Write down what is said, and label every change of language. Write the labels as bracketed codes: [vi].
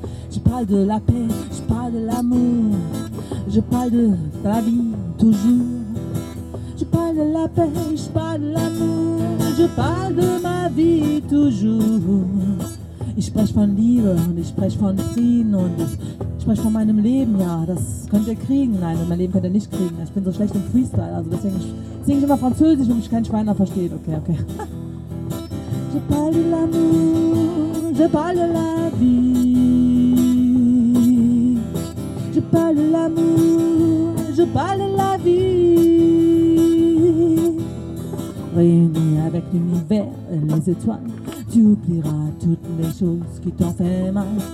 [fr] Je parle de la paix, je parle de l'amour, je parle de la vie toujours. Je parle de la paix, je parle de l'amour, je parle de ma vie toujours. [de] Ich spreche von Liebe und ich spreche von Frieden und ich spreche von meinem Leben, ja, das könnt ihr kriegen. Nein, mein Leben könnt ihr nicht kriegen, ich bin so schlecht im Freestyle, also deswegen singe ich immer Französisch und mich kein Schwein da versteht, okay, okay. [fr] Je parle de l'amour, je parle de la vie. Je parle de l'amour, je parle de la vie. Réunis avec l'univers et les étoiles, tu oublieras toutes les choses qui t'ont fait mal.